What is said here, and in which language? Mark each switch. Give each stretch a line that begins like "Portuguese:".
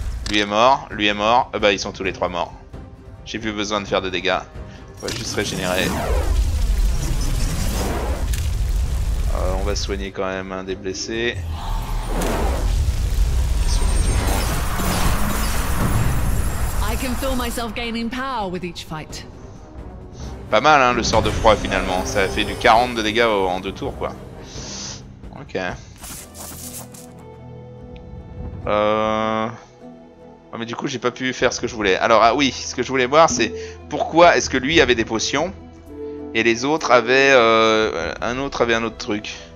French: Lui est mort, lui est mort. Eh ben, ils sont tous les trois morts. J'ai plus besoin de faire de dégâts. On va juste régénérer. On va soigner quand même un des blessés.
English: I can feel myself gaining power with each fight.
French: Pas mal hein, le sort de froid finalement. Ça a fait du 40 de dégâts en deux tours quoi. Ok. Oh mais du coup j'ai pas pu faire ce que je voulais. Alors ah oui, ce que je voulais voir c'est pourquoi est-ce que lui avait des potions et les autres avaient un autre truc.